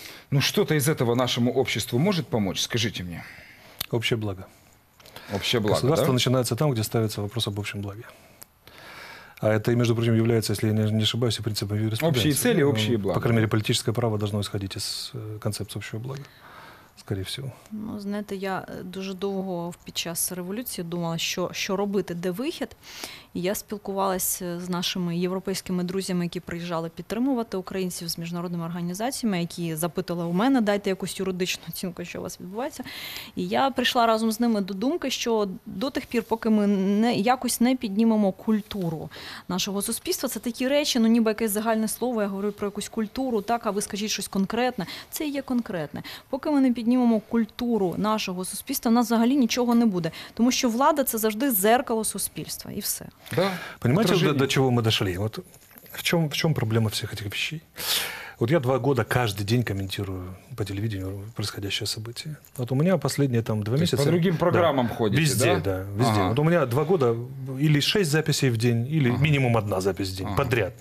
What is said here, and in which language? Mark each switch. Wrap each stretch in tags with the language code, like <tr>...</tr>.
<ru>Ну что-то из этого нашему обществу может помочь, скажите мне? Общее благо. Общее благо, государство, да? Начинается там, где ставится вопрос об общем благе. А это, между прочим, является, если я не ошибаюсь, принципом юриспруденции. Общие цели, общие блага. По крайней мере, политическое право должно исходить из концепции общего блага.</ru> <uk>Скоріше всього. Ну, знаєте, я дуже довго під час революції думала, що робити, де вихід. І я спілкувалася з нашими європейськими друзями, які приїжджали підтримувати українців, з міжнародними організаціями, які запитали у мене, дайте якусь юридичну оцінку, що у вас відбувається. І я прийшла разом з ними до думки, що до тих пір, поки ми не якось не піднімемо культуру нашого суспільства, це такі речі, ну ніби якесь загальне слово, я говорю про якусь культуру, так, а ви скажіть щось конкретне. Це і є конкретне. Поки ми не піднімемо культуру нашого суспільства, у нас взагалі нічого не буде. Тому що влада – це завжди зеркало суспільства. І все.</uk> <ru>Да. Понимаете, до чего мы дошли? Вот в чем проблема всех этих вещей? Вот я 2 года каждый день комментирую по телевидению происходящее событие. Вот у меня последние там 2 месяца... По другим программам, да, ходите, везде, да? Везде. Ага. Вот у меня 2 года или 6 записей в день, или минимум 1 запись в день подряд.</ru>